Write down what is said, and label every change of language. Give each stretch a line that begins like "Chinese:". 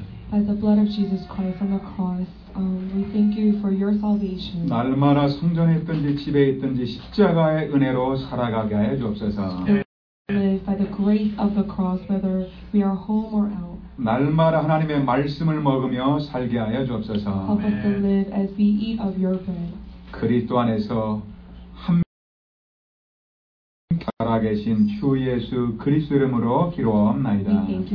English: By the blood of Jesus Christ on the cross, we thank you for your salvation.
Korean: 날마다 성전에 있든지 집에 있든지 십자가의 은혜로 살아가게 하여 주옵소서.
English: By the grace of the cross, whether we are home or out.
Korean: 날마다 하나님의 말씀을 먹으며 살게 하여 주옵소서.
English: Help us to live as we eat of your bread.
Korean: 그리스도 안에서 살아 계신 주 예수 그리스도 이름으로 기도하옵나이다.